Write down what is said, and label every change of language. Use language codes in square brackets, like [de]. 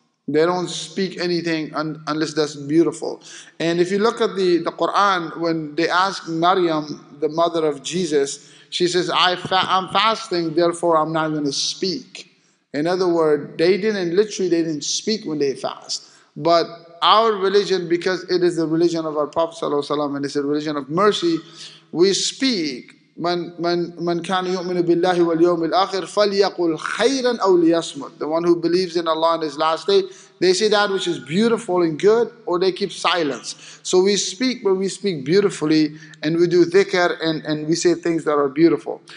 [en] They don't speak anything unless that's beautiful. And if you look at the Quran, when they ask Maryam, the mother of Jesus, she says, I'm fasting, therefore I'm not going to speak. In other words, they didn't speak when they fast. But our religion, because it is the religion of our Prophet Sallallahu Alaihi Wasallam, and it's a religion of mercy, we speak. [ar] من كان يؤمن بالله واليوم الآخر فليقل خيرا أو ليصمت. [en] The one who believes in Allah on his last day, they say that which is beautiful and good, or they keep silence. So we speak, but we speak beautifully, and we do dhikr, and we say things that are beautiful.